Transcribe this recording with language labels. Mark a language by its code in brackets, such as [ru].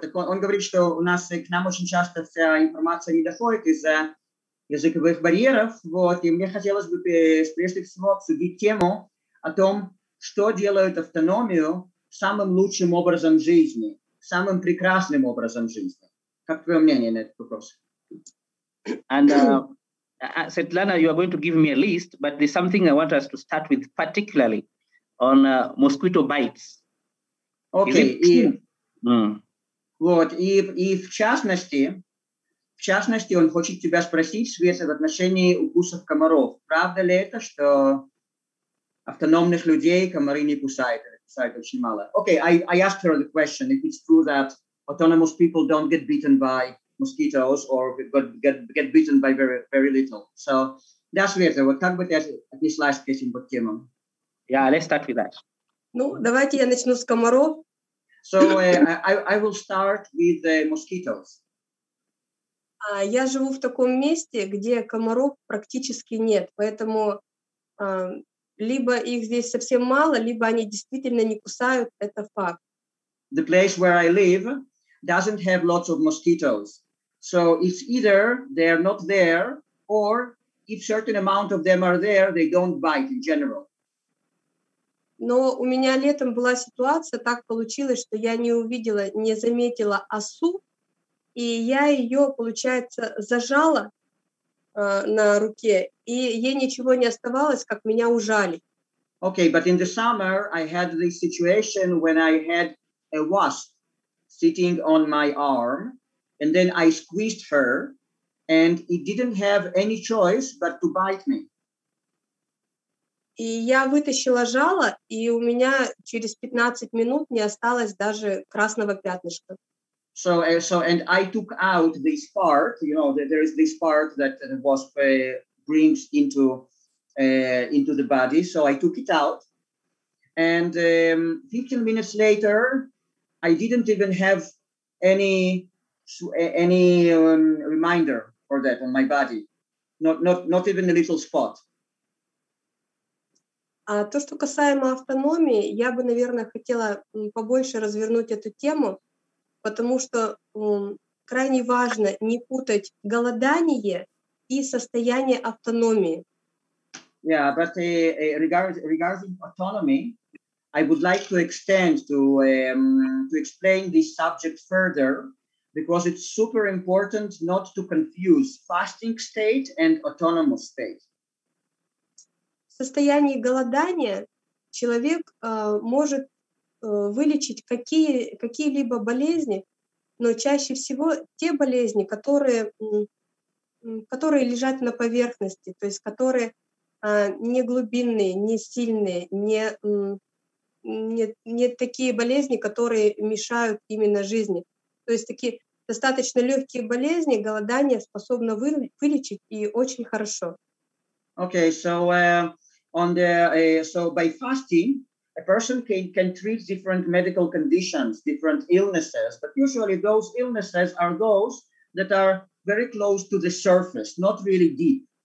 [ru] Так он говорит, что у нас к нам очень часто вся информация не доходит из-за языковых барьеров, вот. И мне хотелось бы прежде всего обсудить тему о том, что делает автономию самым лучшим образом жизни, самым прекрасным образом жизни. Как твое мнение на этот вопрос? [en] And Svetlana, you are going to give me a list, but there's something I want us to start with, particularly on mosquito bites. Okay. [ru] Вот, и в частности, он хочет тебя спросить, Света, в отношении укусов комаров. Правда ли это, что автономных людей комары не кусают? Кусают очень мало. [en] Okay, I asked her the question, if it's true that autonomous people don't get bitten by mosquitoes or get bitten by very, very little. [ru] So, да, Света, вот как бы ты отнеслась к этим темам? [en] Yeah, let's start with that. [ru] Ну, давайте я начну с комаров. [en] So I will start with the mosquitoes. [ru] Я живу в таком месте, где комаров практически нет, поэтому либо их здесь совсем мало, либо они действительно не кусают, это факт. [en] The place where I live doesn't have lots of mosquitoes. So it's either they're not there, or if certain amount of them are there, they don't bite in general. [ru] Но у меня летом была ситуация, так получилось, что я не заметила осу, и я ее, получается, зажала на руке, и ей ничего не оставалось, как меня ужали. [en] Okay, but in the summer I had this situation when I had a wasp sitting on my arm, and then I squeezed her, and it didn't have any choice but to bite me. [ru] И я вытащила жало, и у меня через 15 минут не осталось даже красного пятнышка. [en] So and I took out this part, you know, there is this part that the wasp brings into the body. So I took it out, and 15 minutes later, I didn't even have any reminder for that on my body, not even a little spot. [ru] А то, что касаемо автономии, я бы, наверное, хотела побольше развернуть эту тему, потому что крайне важно не путать голодание и состояние автономии. [en] Yeah, but regarding autonomy, I would like to extend to explain this subject further, because it's super important not to confuse fasting state and autonomous state. [ru] В состоянии голодания человек может вылечить какие-либо болезни, но чаще всего те болезни, которые лежат на поверхности, то есть которые не глубинные, не сильные, не такие болезни, которые мешают именно жизни. То есть такие достаточно легкие болезни голодание способно вылечить и очень хорошо. [en] Okay, so, So by fasting, a person can treat different medical conditions, different illnesses, but usually those illnesses are those that are very close to the surface, not really deep.